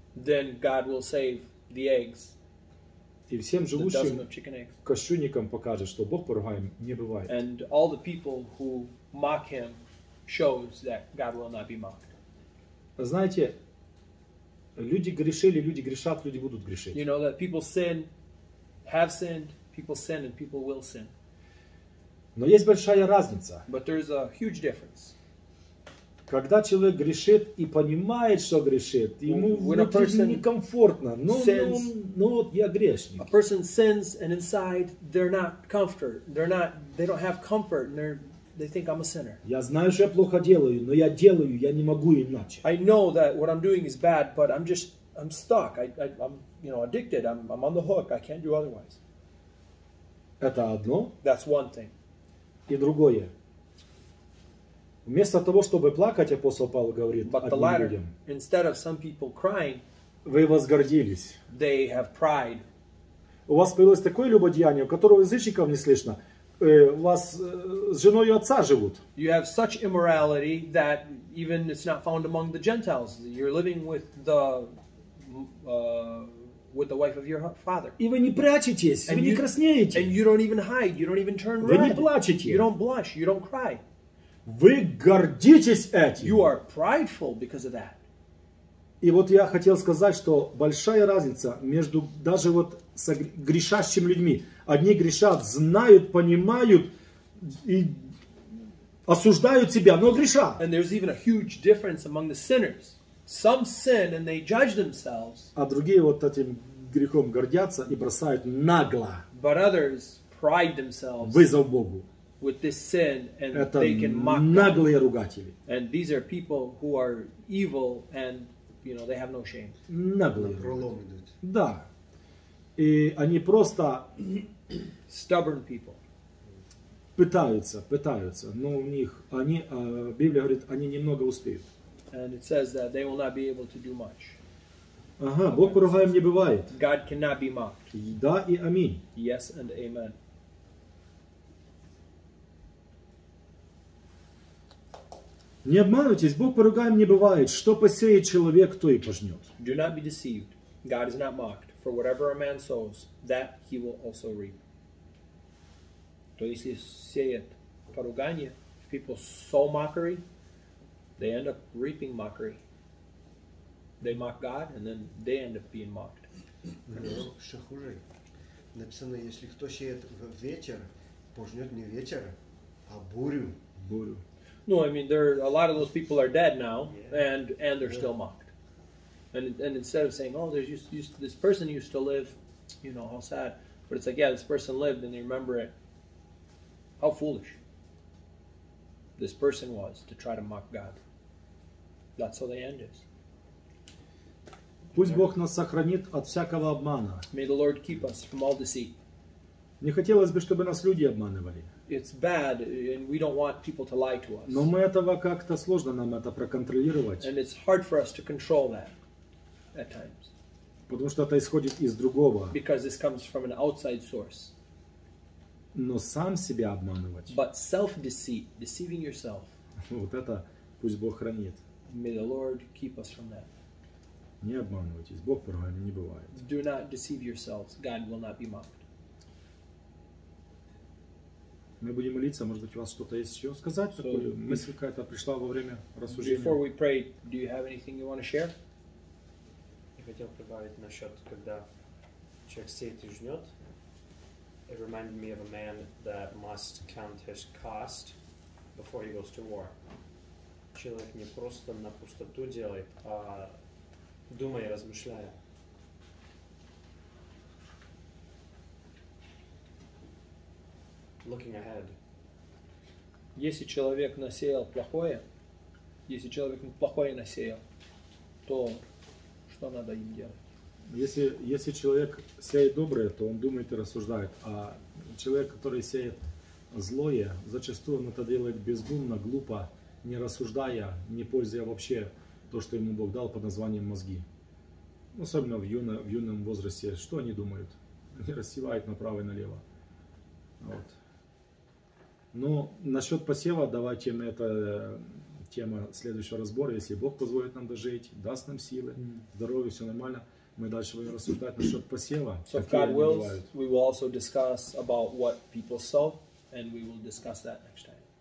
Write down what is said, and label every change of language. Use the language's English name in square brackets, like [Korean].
[English] Then God will save the eggs. [Russian] И всем живущим кощунникам покажет, что Бог поругаем не бывает. [English] And all the people who mock him shows that God will not be mocked. [Russian] Знаете, люди грешили, люди грешат, люди будут грешить. [English] You know that people sin, have sinned, people sin and people will sin. [Russian] Но есть большая разница. [English] But there's a huge difference. [Russian] Когда человек грешит и понимает, что грешит, ему внутри некомфортно. Ну вот я грешник. [English] A person sins and inside they're not comfort. They don't have comfort and they think I'm a sinner. [Russian] Я знаю, что я плохо делаю, но я делаю, я не могу иначе. [English] I know that what I'm doing is bad, but I'm stuck. I'm you know addicted. I'm on the hook. I can't do otherwise. [Russian] Это одно. [English] That's one thing. [Russian] И другое. Вместо того, чтобы плакать, апостол Павел говорит одним людям, [English] instead of some people crying, [Russian] вы возгордились. [English] They have pride. [Russian] У вас появилось такое любодеяние, у которого язычников не слышно. У вас с женой отца живут. [English] You have such immorality that even it's not found among the Gentiles. You're living with the wife of your father. [Russian] И вы не прячетесь, and вы не краснеете. [English] And you don't even hide, you don't even turn [Russian] вы [English] red. [Russian] Вы не плачете. [English] You don't blush, you don't cry. [Russian] Вы гордитесь этим. [English] You are prideful because of that. [Russian] И вот я хотел сказать, что большая разница между даже вот с грешащими людьми. Одни грешат, знают, понимают и осуждают себя, но грешат. [English] And there's even a huge difference among the sinners. Some sin and they judge themselves. [Russian] А другие вот этим грехом гордятся и бросают нагло. [English] But others pride themselves. [Russian] Вызов Богу. [English] With this sin, and [Russian] это [English] they can mock them. [Russian] Наглые ругатели. [English] And these are people who are evil, and you know they have no shame. [Russian] Наглые. Пролом идут. Да. И они просто [English] stubborn people. [Russian] Пытаются, но у них они, Библия говорит, они немного успеют. [English] And it says that they will not be able to do much. [Russian] Ага, Бог поругаем не бывает. [English] God cannot be mocked. [Russian] Да и аминь. [English] Yes and amen. [Russian] Не обманывайтесь, Бог поругаем не бывает. Что посеет человек, то и пожнет. [English] Do not be deceived. God is not mocked. For whatever a man sows, that he will also reap. [Russian] То если сеет поругание, [English] if people sow mockery, they end up reaping mockery. They mock God, and then they end up being mocked. [Russian] Еще хуже. Написано, если кто сеет в вечер, пожнет не вечер, а бурю. Бурю. [English] No, I mean there a lot of those people are dead now, yeah. and they're yeah. still mocked. And instead of saying, oh, there's used to, this person used to live, you know, how sad. But it's like, yeah, this person lived and they remember it. How foolish this person was to try to mock God. That's how the end is. [Russian] Пусть Бог нас сохранит от всякого обмана. [English] May the Lord keep us from all deceit. [Russian] Не хотелось бы, чтобы нас люди обманывали. [English] It's bad, and we don't want people to lie to us. [Russian] Но мы этого как-то сложно нам это проконтролировать. [English] And it's hard for us to control that at times. [Russian] Потому что это исходит из другого. [English] Because this comes from an outside source. [Russian] Но сам себя обманывать. [English] But self-deceit, deceiving yourself. [Russian] Вот это пусть Бог хранит. [English] May the Lord keep us from that. [Russian] Не обманывайтесь, Бог правильный не бывает. [English] Do not deceive yourselves, God will not be mocked. [Russian] Мы будем молиться, может быть, у вас что-то есть еще сказать? So, мысль какая-то пришла во время рассуждения. [English] Before we pray, do you have anything you want to share? [Russian] Я хотел прибавить насчет, когда человек сеет и жнет. [English] It reminded me of a man that must count his cost before he goes to war. [Russian] Человек не просто на пустоту делает, а думая, размышляя. [English] Looking ahead. [Russian] Если человек насеял плохое, если человек плохое насеял, то что надо им делать? Если человек сеет доброе, то он думает и рассуждает. А человек, который сеет злое, зачастую он это делает бездумно, глупо, не рассуждая, не пользуя вообще то, что ему Бог дал под названием мозги. Особенно в юном возрасте. Что они думают? Они рассевают направо и налево. Вот. Ну, насчет посева, давайте мы это тема следующего разбора. Если Бог позволит нам дожить, даст нам силы, здоровье, все нормально, мы дальше будем рассуждать насчет посева. [English] So if God wills, we will also discuss about what people sow, and we will discuss that next time.